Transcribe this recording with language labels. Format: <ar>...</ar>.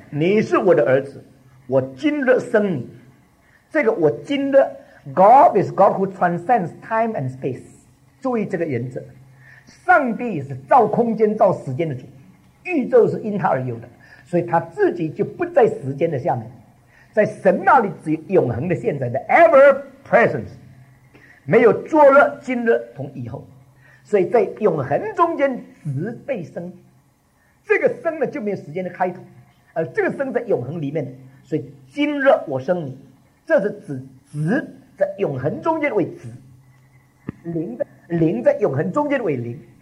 <zh>你是我的儿子，我今日生你。这个我今日</zh> <en>，God is God who transcends time and space。</en> <zh>注意这个原则，上帝是造空间、造时间的主，宇宙是因他而有的，所以他自己就不在时间的下面，在神那里只有永恒的现在的</zh> <en>ever presence。</en> <zh>没有昨日、今日同以后，所以在永恒中间直被生，这个生呢就没有时间的开头，而这个生在永恒里面，所以今日我生你，这是指直在永恒中间为直，灵在永恒中间为灵。</zh>